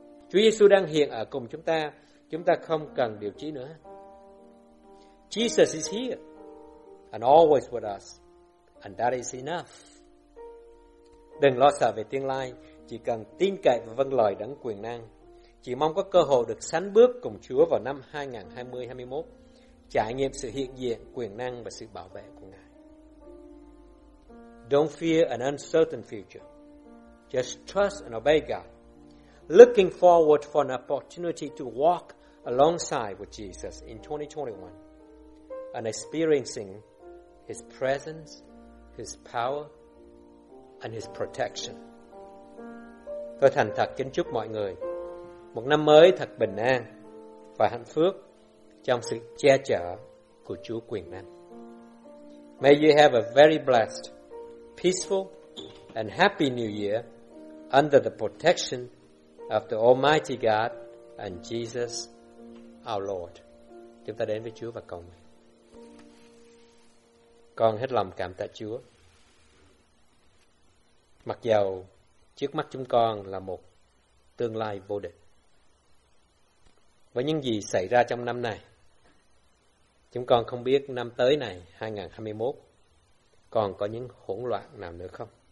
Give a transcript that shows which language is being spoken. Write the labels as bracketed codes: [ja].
[vi] Chúa Giêsu đang hiện ở cùng chúng ta. Chúng ta không cần điều chi nữa. [en] Jesus is here and always with us, and that is enough. [vi] Đừng lo sợ về tương lai, chỉ cần tin cậy và vâng lời Đấng quyền năng. Chỉ mong có cơ hội được sánh bước cùng Chúa vào năm 2020-21, trải nghiệm sự hiện diện, quyền năng và sự bảo vệ của Ngài. [en] Don't fear an uncertain future. Just trust and obey God, looking forward for an opportunity to walk alongside with Jesus in 2021. And experiencing His presence, His power, and His protection. [vi] Tôi thành thật kính chúc mọi người một năm mới thật bình an và hạnh phúc trong sự che chở của Chúa quyền năng. [en] May you have a very blessed, peaceful, and happy New Year under the protection of the Almighty God and Jesus, our Lord. [vi] Chúng ta đến với Chúa và cầu nguyện. Con hết lòng cảm tạ Chúa mặc dầu trước mắt chúng con là một tương lai vô định. Với những gì xảy ra trong năm này, chúng con không biết năm tới này, 2021, còn có những hỗn loạn nào nữa không?